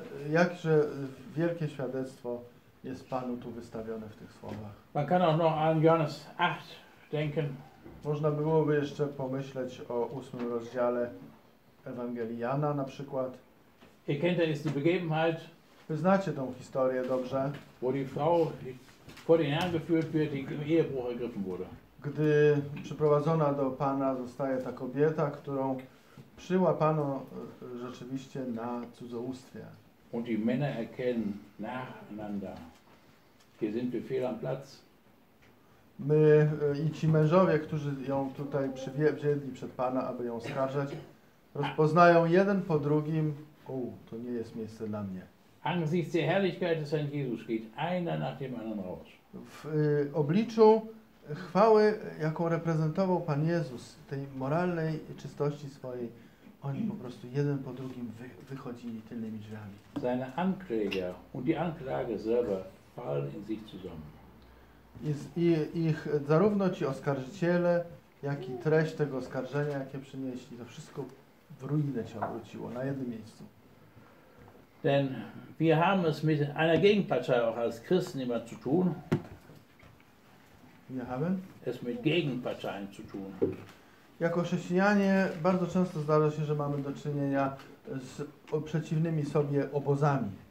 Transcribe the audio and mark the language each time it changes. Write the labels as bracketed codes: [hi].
[pl] Jakże wielkie świadectwo jest Panu tu wystawione w tych słowach. [de] Man kann auch noch an Johannes 8 denken. [pl] Można byłoby jeszcze pomyśleć o 8 rozdziale Ewangelii Jana na przykład. [de] Ihr kennt ja jetzt die Begebenheit. [pl] Wy znacie tą historię dobrze. [de] Wo die Frau vor den Herrn geführt wird, die im Ehebruch ergriffen wurde. [pl] Gdy przyprowadzona do Pana zostaje ta kobieta, którą przyłapano rzeczywiście na cudzołóstwie. [de] Und die Männer erkennen nacheinander. Hier sind wir fehl am Platz. [pl] My i ci mężowie, którzy ją tutaj wzięli przed Pana, aby ją oskarżać, rozpoznają jeden po drugim: o, to nie jest miejsce dla mnie. [de] Angesichts der Herrlichkeit des Herrn Jesus geht einer nach dem anderen raus. [pl] W obliczu chwały, jaką reprezentował Pan Jezus, tej moralnej czystości swojej, oni po prostu jeden po drugim wychodzili tylnymi drzwiami. [de] Seine Ankläger und die Anklage selber fallen in sich zusammen. [pl] Ich zarówno ci oskarżyciele, jak i treść tego oskarżenia, jakie przynieśli, to wszystko w ruinę się obróciło na jednym miejscu. [de] Denn wir haben es mit einer Gegenpartei auch als Christen immer zu tun. Wir haben es mit Gegenparteien zu tun. [pl] Jako chrześcijanie bardzo często zdarza się, że mamy do czynienia z przeciwnymi sobie obozami.